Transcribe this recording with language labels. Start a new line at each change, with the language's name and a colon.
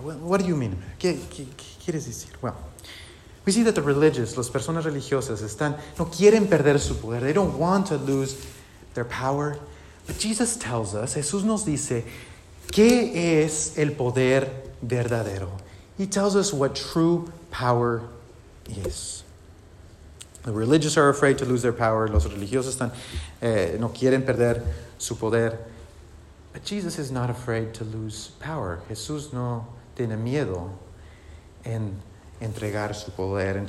English: What do you mean?
Spanish: ¿Qué quieres decir?
English: Well, we see that the religious,
Spanish: las personas religiosas, están, no quieren perder su poder.
English: They don't want to lose their power. But Jesus tells us,
Spanish: Jesús nos dice, ¿qué es el poder verdadero?
English: He tells us what true power is. The religious are afraid to lose their power.
Spanish: Los religiosos están, no quieren perder su poder.
English: But Jesus is not afraid to lose power.
Spanish: Jesús no tiene miedo en entregar su poder.